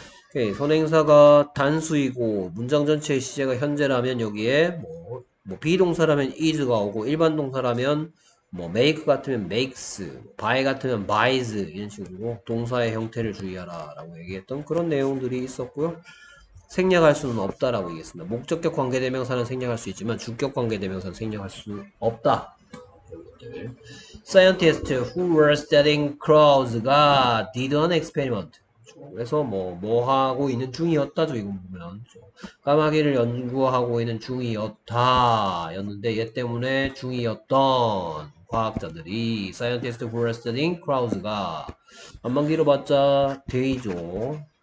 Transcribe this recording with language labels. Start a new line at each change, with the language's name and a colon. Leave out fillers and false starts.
Korean: 오케이, 선행사가 단수이고 문장 전체의 시제가 현재라면 여기에 뭐 비동사라면 is가 오고 일반 동사라면 뭐 make 같으면 makes, buy 같으면 buys 이런 식으로 동사의 형태를 주의하라라고 얘기했던 그런 내용들이 있었고요. 생략할 수는 없다라고 얘기했습니다. 목적격 관계대명사는 생략할 수 있지만 주격 관계대명사는 생략할 수 없다.
English: Scientist who were studying crows가 did an experiment.
Korean: 그래서 뭐 하고 있는 중이었다죠. 이거 보면 까마귀를 연구하고 있는 중이었다였는데 얘 때문에 중이었던 과학자들이 Scientist who were studying crows 가 한마디로 봤자 데이죠.